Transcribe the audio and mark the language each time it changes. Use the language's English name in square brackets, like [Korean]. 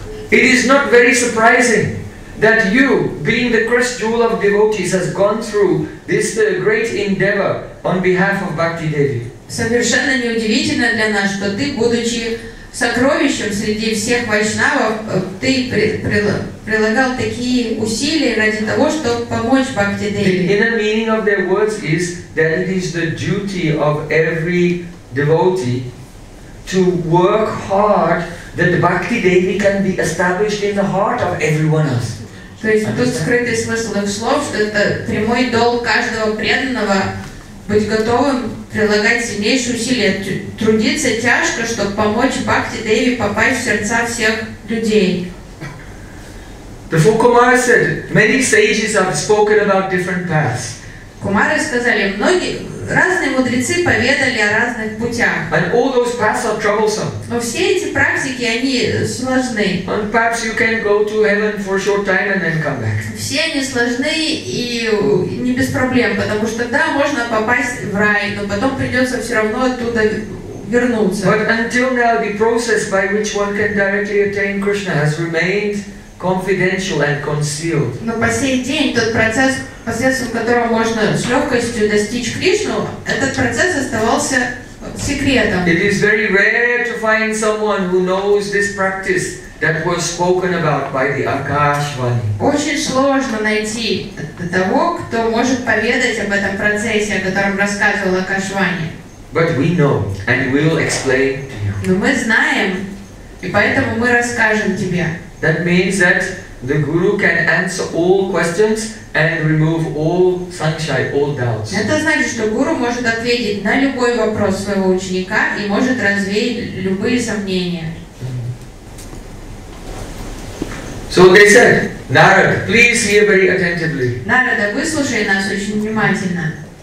[English] It is not very surprising that you, being the crest jewel of devotees, has gone through this great endeavor on behalf of Bhakti Devi. [Russian] Совершенно неудивительно для нас, что ты, будучи сокровищем среди всех вайшнавов, ты прилагал такие усилия ради того, чтобы помочь Бхакти Деви. [English] The inner meaning of their words is that it is the duty of every devotee to work hard that Bhakti Devi can be established in the heart of everyone else. [Russian] То есть тут скрытый смысл их слов, что это прямой долг каждого преданного быть готовым прилагать сильнейшие усилия, трудиться тяжко, чтобы помочь Бхакти Деви попасть в сердца всех людей. [English] The four Kumaras said, many sages have spoken about different paths. [Russian] Кумары сказали, многие разные мудрецы поведали о разных путях. [English] And all those paths are troublesome. [Russian] Но все эти практики, они сложны. [English] And perhaps you can go to heaven for a short time and then come back. [Russian] Все они сложны и не без проблем, потому что да, можно попасть в рай, но потом придется все равно оттуда вернуться. [English] But until now, the process by which one can directly attain Krishna has remained confidential and concealed. [Russian] Но по сей день тот процесс, посредством которого можно с легкостью достичь Кришну, этот процесс оставался секретом. [English] It is very rare to find someone who knows this practice that was spoken about by the Akashvani. [Russian] Очень сложно найти того, кто может поведать об этом процессе, о котором рассказывал Акашвани. [English] But we know, and we will explain to you. [Russian] Но мы знаем, и поэтому мы расскажем тебе. [English] That means that the Guru can answer all questions and remove all sanshay, all doubts. [Russian] Это значит, что Гуру может ответить на любой вопрос своего ученика и может развеять любые сомнения. [English] So they said, Narada, please hear very attentively. [Russian] Narada, выслушай нас очень внимательно.